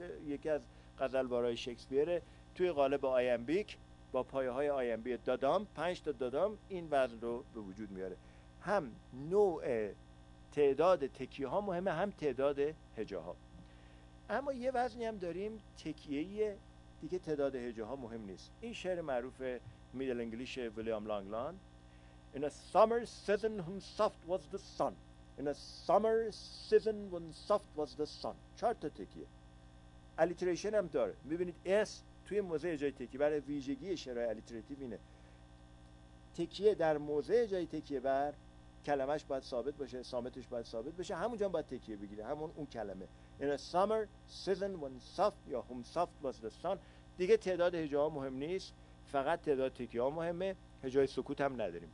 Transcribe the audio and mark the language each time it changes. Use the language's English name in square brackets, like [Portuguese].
[Persian] یکی از غزلوارهای شکسپیره، توی قالب آیمبیک با پایه های آیمبیک دادم، پنج تا دادم، این وزن رو به وجود میاره. هم نوع تعداد تکیه ها مهمه، هم تعداد هجاها. اما یه وزنی هم داریم تکیه ایه، دیگه تعداد هجاها مهم نیست. این شعر معروف میدل انگلیش ویلیام لانگلان، [English] In a summer season when soft was the sun، In a summer season when soft was the sun، [Persian] چهار تا تکیه، الیتریشن هم داره. میبینید اس توی موضع جای تکیه، برای ویژگی شعرهای الیتریتیو اینه، تکیه در موضع جای تکیه بر کلمش باید ثابت باشه، صامتش باید ثابت باشه، همونجا باید تکیه بگیره، همون اون کلمه. [English] In a summer season when soft [Persian] یا [English] whom soft was the sun، [Persian] دیگه تعداد هجاها مهم نیست، فقط تعداد تکیه ها مهمه، هجای سکوت هم نداریم.